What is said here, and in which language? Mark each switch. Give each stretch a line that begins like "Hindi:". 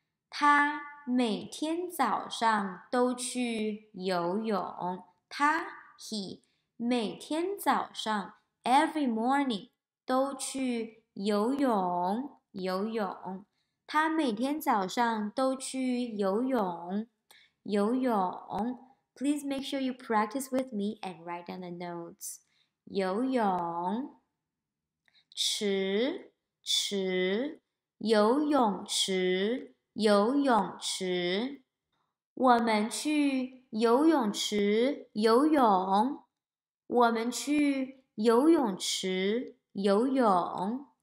Chinese: 他每天早上都去游泳。他 he 每天早上
English: every morning
Chinese: 都去游泳，游泳。他每天早上都去游泳，游泳。
English: Please make sure you practice with me and write down the notes.
Chinese: 游泳池，池，游泳池，游泳池。我们去游泳池游泳。我们去游泳池游泳。